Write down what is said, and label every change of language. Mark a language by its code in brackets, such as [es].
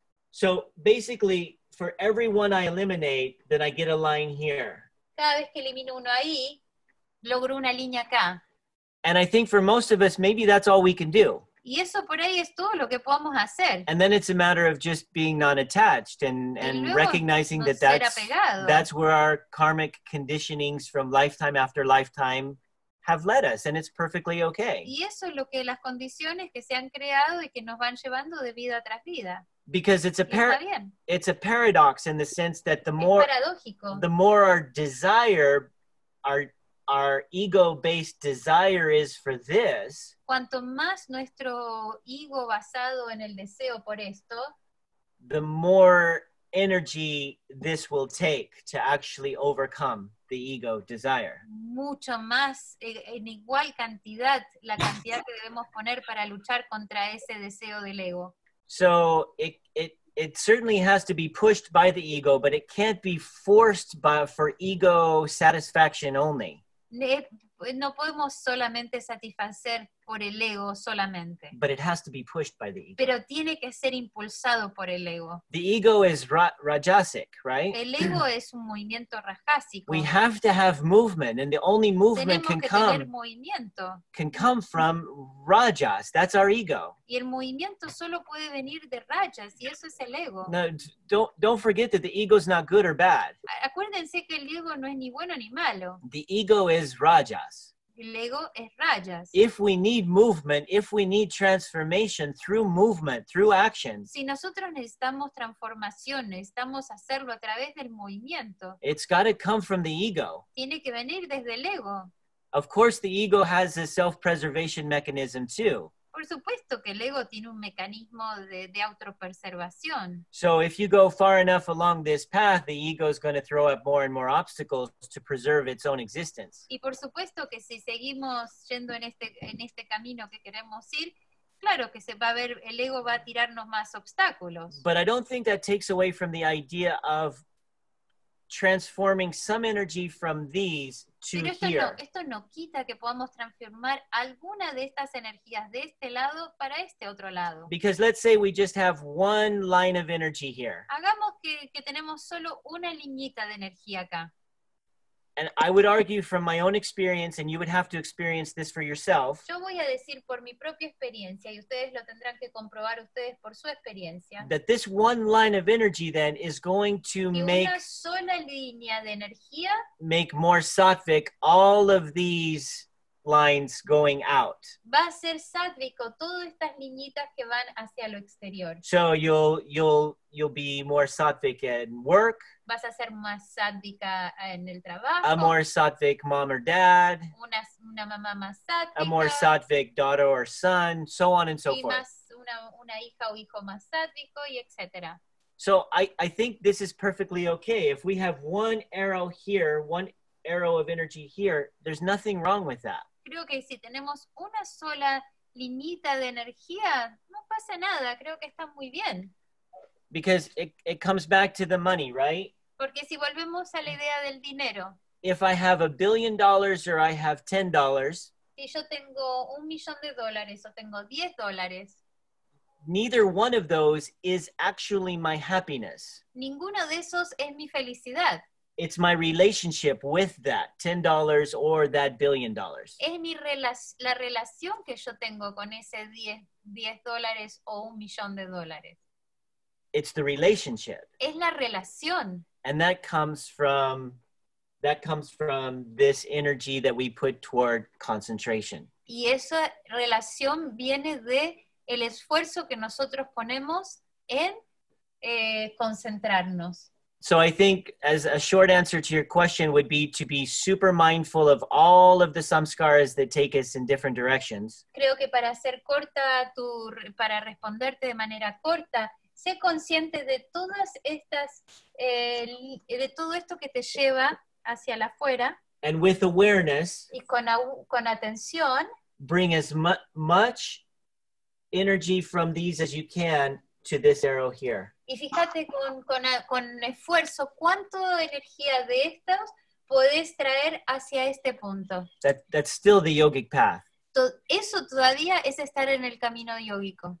[en] So basically, for every one I eliminate, then I get a line here. [es] Cada vez que elimino uno ahí, logro una línea acá. [en] And I think for most of us, maybe that's all we can do. [es] Y eso por ahí es todo lo que podemos hacer. [en] And then it's a matter of just being non-attached and recognizing that that's where our karmic conditionings from lifetime after lifetime have led us, and it's perfectly okay. [es] Y eso es lo que las condiciones que se han creado y que nos van llevando de vida tras vida. [en] Because it's a paradox in the sense that the more our desire, our ego-based desire is for this. [es] Cuanto más nuestro ego basado en el deseo por esto, [en] the more energy this will take to actually overcome the ego desire. [es] Mucho más, en igual cantidad, la cantidad que debemos poner para luchar contra ese deseo del ego. [en] So it certainly has to be pushed by the ego, but it can't be forced for ego satisfaction only. [es] No podemos solamente satisfacer por el ego solamente. [en] But it has to be pushed by the ego. [es] Pero tiene que ser impulsado por el ego. [en] The ego is rajasic, right? [es] El ego es un movimiento rajásico. [en] We have to have movement, and the only movement [es] tenemos [en] can [es] que [en] come [es] tener movimiento. [en] Can come from rajas. That's our ego. [es] Y el movimiento solo puede venir de rajas, y eso es el ego. [en] Now, don't forget that the ego is not good or bad. [es] Acuérdense que el ego no es ni bueno ni malo. [en] The ego is rajas. [es] El ego es rayas. [en] If we need movement, if we need transformation through movement, through action. [es] Si nosotros necesitamos transformación, necesitamos hacerlo a través del movimiento. [en] It's got to come from the ego. [es] Tiene que venir desde el ego. [en] Of course, the ego has a self-preservation mechanism too. [es] Por supuesto que el ego tiene un mecanismo de autopreservación. [en] So if you go far enough along this path, the ego is going to throw up more and more obstacles to preserve its own existence. [es] Y por supuesto que si seguimos yendo en este camino que queremos ir, claro que se va a ver, el ego va a tirarnos más obstáculos. [en] But I don't think that takes away from the idea of transforming some energy from these to [es] pero esto [en] here. [es] No, esto no quita que podamos transformar alguna de estas energías de este lado para este otro lado. [en] Because let's say we just have one line of energy here. [es] Hagamos que tenemos solo una liñita de energía acá. [en] And I would argue from my own experience, and you would have to experience this for yourself. [es] Yo voy a decir por mi propia experiencia, y ustedes lo tendrán que comprobar ustedes por su experiencia. [en] That this one line of energy then is going to make [es] una sola línea de energía [en] make more sattvic all of these lines going out. [es] Va a ser sattvico todas estas liñitas que van hacia lo exterior. [en] So you'll be more sattvic at work. [es] Vas a ser más sattvica en el trabajo. [en] A more sattvic mom or dad. [es] Una mamá más sattvica. [en] A more sattvic daughter or son, so on and so forth. [es] Y más una hija o hijo más sattvico y etcétera. [en] So I think this is perfectly okay. If we have one arrow here, one arrow of energy here, there's nothing wrong with that. [es] Creo que si tenemos una sola linita de energía, no pasa nada. Creo que está muy bien. [en] Because it comes back to the money, right? [es] Porque si volvemos a la idea del dinero. [en] If I have $1 billion or I have $10. [es] Si yo tengo un millón de dólares o tengo $10. [en] Neither one of those is actually my happiness. [es] Ninguno de esos es mi felicidad. [en] It's my relationship with that $10 or that $1 billion. [es] Es mi la relación que yo tengo con ese $10 o un millón de dólares. [en] It's the relationship. [es] Es la relación. [en] And that comes from this energy that we put toward concentration. [es] Y esa relación viene de el esfuerzo que nosotros ponemos en concentrarnos. [en] So I think as a short answer to your question would be to be super mindful of all of the samskaras that take us in different directions. [es] Creo que para ser corta para responderte de manera corta, sé consciente de todas estas, de todo esto que te lleva hacia la fuera. [en] And with awareness, [es] y con atención, [en] bring as much energy from these as you can to this arrow here. [es] Y fíjate con esfuerzo cuánto energía de estos podés traer hacia este punto. [en] That's still the yogic path. [es] Eso todavía es estar en el camino yógico.